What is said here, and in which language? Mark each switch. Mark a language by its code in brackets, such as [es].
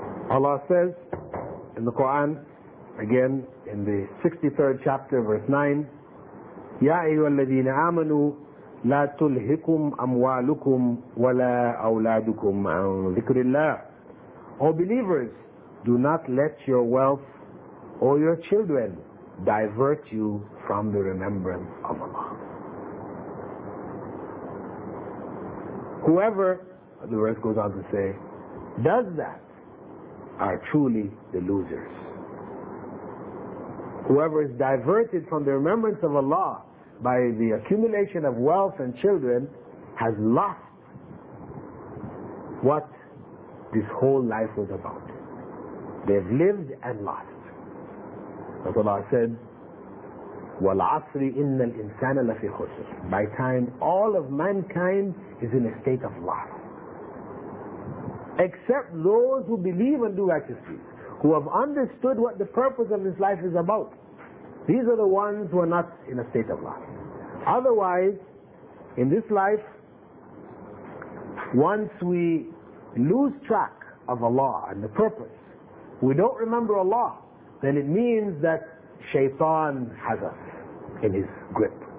[en] Allah says in the Quran, again in the 63rd chapter, verse 9, [ar] يَا أَيُّهَا الَّذِينَ آمَنُوا لَا تُلْهِكُمْ أَمْوَالُكُمْ وَلَا أَوْلَادُكُمْ عَنْ ذِكْرِ اللَّهِ. [en] O believers, do not let your wealth or your children divert you from the remembrance of Allah. Whoever, the verse goes on to say, does that, are truly the losers. Whoever is diverted from the remembrance of Allah by the accumulation of wealth and children has lost what this whole life was about. They've lived and lost. As Allah said, [ar] وَالْعَصْرِ إِنَّ الْإِنسَانَ لَفِي خُسْرٍ. [en] By time, all of mankind is in a state of loss. Except those who believe and do righteous deeds, who have understood what the purpose of this life is about. These are the ones who are not in a state of loss. Otherwise, in this life, once we lose track of Allah and the purpose, we don't remember Allah, then it means that shaitan has us in his grip.